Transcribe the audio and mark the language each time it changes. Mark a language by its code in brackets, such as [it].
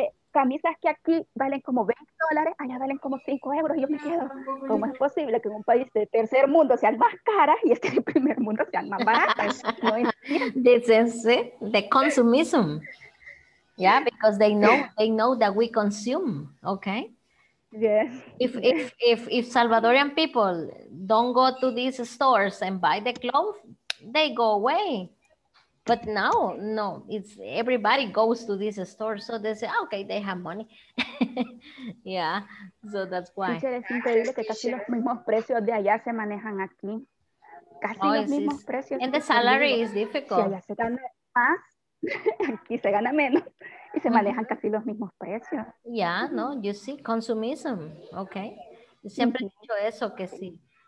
[es] Camisas que aquí valen como $20, allá valen como 5 euros. Yo me quedo, ¿cómo es posible que en un país de tercer mundo sean más caras y este de primer mundo sean más baratas? [en] This is the consumism. Yeah, because they know that we consume, okay? Yes. If Salvadorian people don't go to these stores and buy the clothes, they go away. But now, no, it's everybody goes to this store, so they say, okay, they have money. Yeah, so that's why. [es] Teacher, es increíble que casi los mismos precios de allá se manejan aquí. casi no, los mismos precios. [en] And the salary is difficult. [es] Si allá se gana más, aquí se gana menos. Y se manejan casi los mismos precios. [en] Yeah, no, you see, consumism, [es] okay. Yo siempre he dicho eso, que sí.